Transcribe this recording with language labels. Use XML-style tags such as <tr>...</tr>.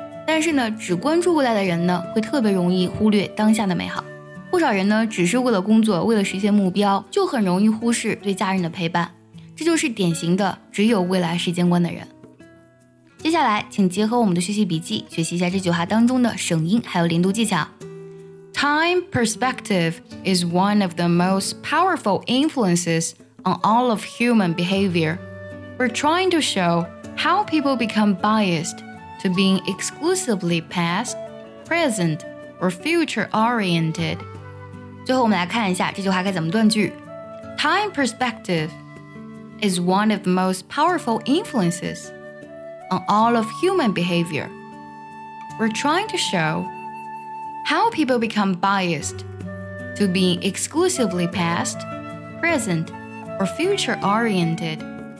<zh>但是呢，只关注未来的人呢，会特别容易忽略当下的美好。不少人呢，只是为了工作，为了实现目标，就很容易忽视对家人的陪伴。这就是典型的只有未来时间观的人。接下来，请结合我们的学习笔记，学习一下这句话当中的省音还有连读技巧。</zh> <en>Time perspective is one of the most powerful influences on all of human behavior. We're trying to show how people become biased to being exclusively past, present, or future-oriented.</en> <zh>最后我们来看一下这句话该怎么断句。</zh> <en>Time perspective is one of the most powerful influences on all of human behavior. We're trying to showHow people become biased to being exclusively past, present, or future-oriented.</en>